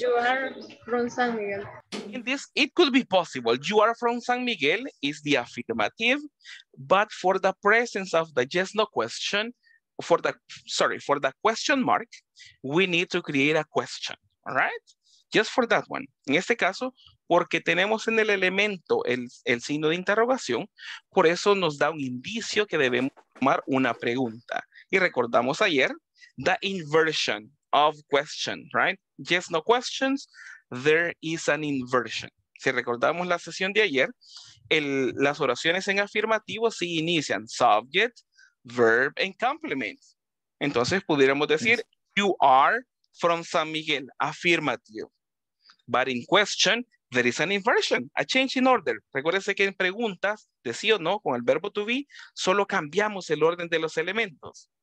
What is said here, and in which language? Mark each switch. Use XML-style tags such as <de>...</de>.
<en>You are from San Miguel. In this, it could be possible. You are from San Miguel is the affirmative, but for the presence of the yes, no question, for the question mark, we need to create a question, all right? Just for that one.</en> <es>In este caso, porque tenemos en el elemento el signo de interrogación, por eso nos da un indicio que debemos tomar una pregunta. Y recordamos ayer,</es> <en>the inversion of question, right? Yes, no questions, there is an inversion.</en> <es>Si recordamos la sesión de ayer, las oraciones en afirmativo sí inician</es> <en>subject, verb, and complement.</en> <es>Entonces pudiéramos decir,</es> <en>yes. You are from San Miguel, affirmative. But in question, there is an inversion, a change in order.</en> <es>Recuérdense que en preguntas de sí o no con el verbo to be, solo cambiamos el orden de los elementos.</es>